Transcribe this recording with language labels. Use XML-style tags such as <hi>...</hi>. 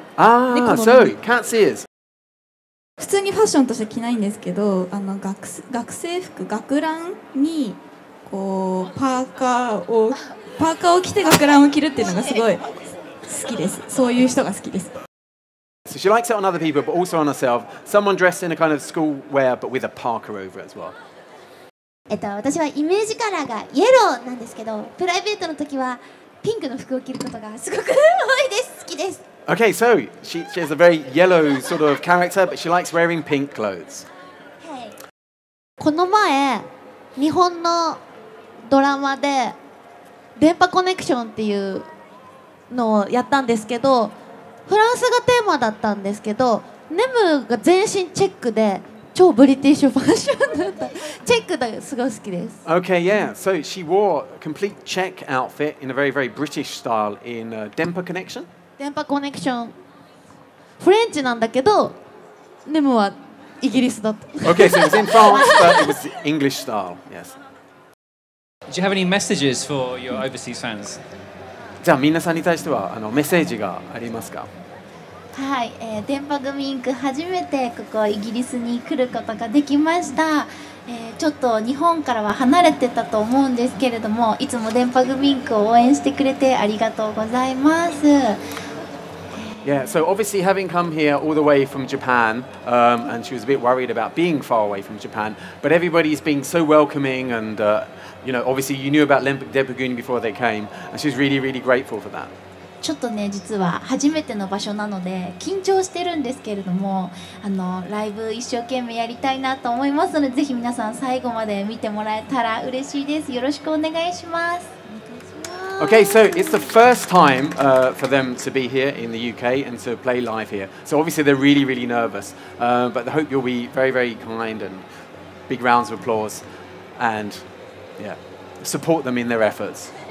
<ja>ああ、そう、キャッツ ears。普通にファッションとして着ないんですけど、あの 学生服、学ランにこうパーカーを着て学ランを着るっていうのがすごい好きです。そういう人が好きです。</ja> <en>So she likes it on other people, but also on herself. Someone dressed in a kind of school wear, but with a parka over as well.</en> <ja>私はイメージカラーがイエローなんですけど、プライベートの時はピンクの服を着ることがすごく多いです。好きです。</ja> <en>Okay, so she has a very yellow sort of character, but she likes wearing pink clothes.</en> <ja>この前、日本のドラマで電波コネクションっていうのをやったんですけど、フランスがテーマだったんですけど、ネムが全身チェックで超ブリティッシュファッションだった。チェックだ、すごい好きです。</ja> <en>Okay, yeah. So she wore a complete check outfit in a very, very British style in Dempa Connection. Dempa Connection.</en> <ja>フレンチなんだけど、ネムはイギリスだった。</ja> <en>Okay, so it was in France, but it was English style. Yes. Do you have any messages for your overseas fans?</en> <ja>じゃあ皆さんに対してはあのメッセージがありますか。はい、電波組インク初めてここイギリスに来ることができました、ちょっと日本からは離れてたと思うんですけれども、いつも電波組インクを応援してくれてありがとうございます。</ja> <en>Yeah, so obviously having come here all the way from Japan、and she was a bit worried about being far away from Japan, but everybody's been so welcoming andYou know, obviously you knew about Dempagumi before they came, and she's really, really grateful for that.</en> <ja>ちょっとね、実は初めての場所なので緊張してるんですけれども、あのライブ一生懸命やりたいなと思いますので、ぜひ皆さん最後まで見てもらえたら嬉しいです。よろしくお願いします。</ja> <en>Okay, so it's the first time、for them to be here in the UK and to play live here. So obviously they're really, really nervous.、but I hope you'll be very, very kind and big rounds of applause and...Yeah, support them in their efforts.</en>